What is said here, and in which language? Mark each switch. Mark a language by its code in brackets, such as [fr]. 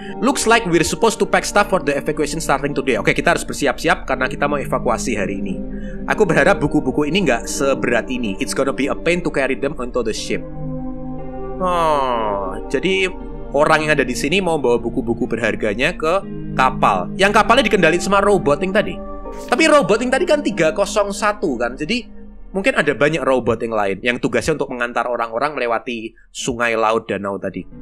[en] Looks like we're supposed to pack stuff for the evacuation starting today. [id] Oke, kita harus bersiap-siap karena kita mau evakuasi hari ini. Aku berharap buku-buku ini nggak seberat ini. [en] It's gonna be a pain to carry them onto the ship. [id] Oh, jadi orang yang ada di sini mau bawa buku-buku berharganya ke kapal. Yang kapalnya dikendalikan sama roboting tadi. Tapi roboting tadi kan 301 kan, jadi mungkin ada banyak robot yang lain yang tugasnya untuk mengantar orang-orang melewati sungai, laut, danau tadi.